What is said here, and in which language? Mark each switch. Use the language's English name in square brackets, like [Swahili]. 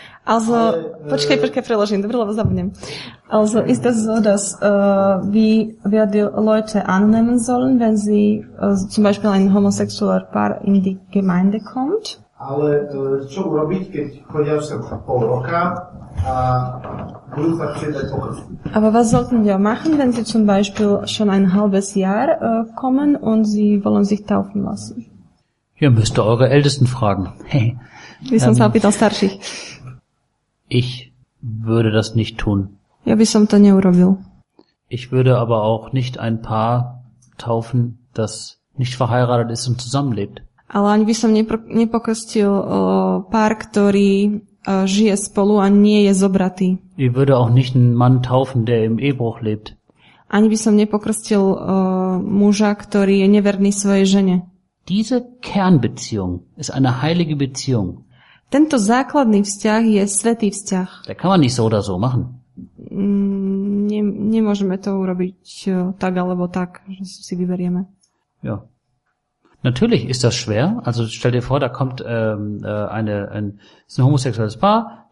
[Slovak] Also, ale, počkaj, preložím, dobre, lebo zabudnem. [German] Also, ist das so, dass wir die Leute annehmen sollen, wenn sie zum Beispiel ein homosexueller Paar in die Gemeinde kommt? [Slovak] Ale čo urobiť, keď chodia už sem pol roka a budú sa chcieť dať pokrstiť? [German] Aber was sollten wir machen, wenn sie zum Beispiel schon ein halbes Jahr kommen und sie wollen sich taufen lassen? Ihr müsst eure Ältesten fragen. Wie sonst habe ich das starschig? Ich würde das nicht tun. Ja, wie sonst dann ja, ich würde aber auch nicht ein Paar taufen, das nicht verheiratet ist und zusammenlebt. [Slovak] Ale ani by som nepokrstil pár, ktorý žije spolu a nie je zobratý. [German] Ich würde auch nicht einen Mann taufen, der im Ehebruch lebt. [Slovak] Ani by som nepokrstil muža, ktorý je neverný svojej žene. [German] Diese Kernbeziehung ist eine heilige Beziehung. [Slovak] Tento základný vzťah je svätý vzťah. [German] Der kann man nicht so oder so machen. [Slovak] Nemôžeme to urobiť tak alebo tak, že si vyberieme. [German] Ja. Natürlich ist das schwer. Also stell dir vor, da kommt ein homosexuelles Paar.